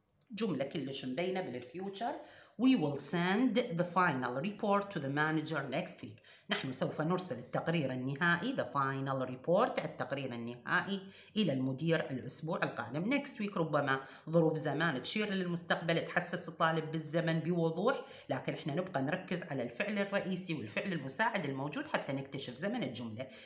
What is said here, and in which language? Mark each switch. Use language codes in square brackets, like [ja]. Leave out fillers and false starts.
[ar] جملة كلش مبينة بالفيوتشر. [en] We will send the final report to the manager next week. [ar] نحن سوف نرسل التقرير النهائي [en] the final report [ar] التقرير النهائي إلى المدير الأسبوع القادم. [en] Next week [ar] ربما ظروف زمان تشير للمستقبل تحسس الطالب بالزمن بوضوح، لكن احنا نبقى نركز على الفعل الرئيسي والفعل المساعد الموجود حتى نكتشف زمن الجملة.